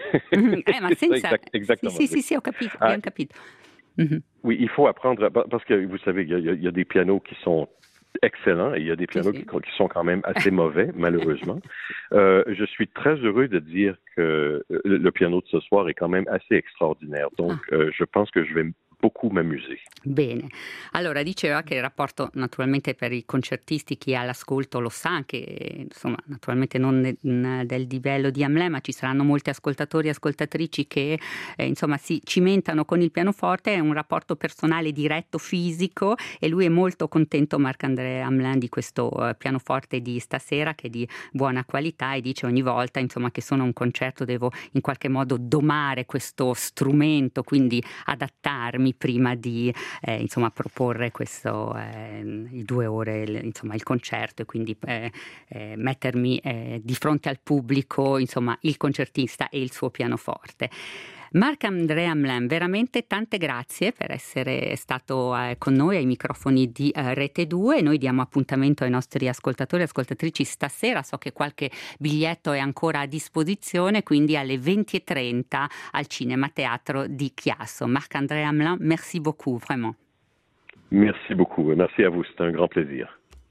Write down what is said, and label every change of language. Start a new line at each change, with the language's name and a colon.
Italian: ma senza... Esattamente. Sì, sì, sì, ho capito, abbiamo capito.
French: Oui, il faut apprendre, parce que vous savez, il y a des pianos qui sont... excellent. Il y a des pianos qui sont quand même assez mauvais, malheureusement. Je suis très heureux de dire que le piano de ce soir est quand même assez extraordinaire. Donc, je pense que je vais beaucoup m'amuser.
Italian: Bene. Allora, diceva che il rapporto, naturalmente, per i concertisti, chi ha l'ascolto lo sa, anche, insomma, naturalmente non del livello di Hamlet, ma ci saranno molti ascoltatori e ascoltatrici che, insomma, si cimentano con il pianoforte, è un rapporto personale, diretto, fisico, e lui è molto contento, Marc-André Hamelin, di questo pianoforte di stasera, che è di buona qualità, e dice ogni volta, insomma, che sono a un concerto devo in qualche modo domare questo strumento, quindi adattarmi prima di insomma proporre questo i due ore insomma il concerto e quindi mettermi di fronte al pubblico insomma il concertista e il suo pianoforte. Marc-André Hamelin, veramente tante grazie per essere stato con noi ai microfoni di Rete 2. Noi diamo appuntamento ai nostri ascoltatori e ascoltatrici stasera, so che qualche biglietto è ancora a disposizione, quindi alle 20:30 al Cinema Teatro di Chiasso.
French: Marc-André Hamelin, merci beaucoup, vraiment. Merci beaucoup, merci à vous, c'est un grand plaisir.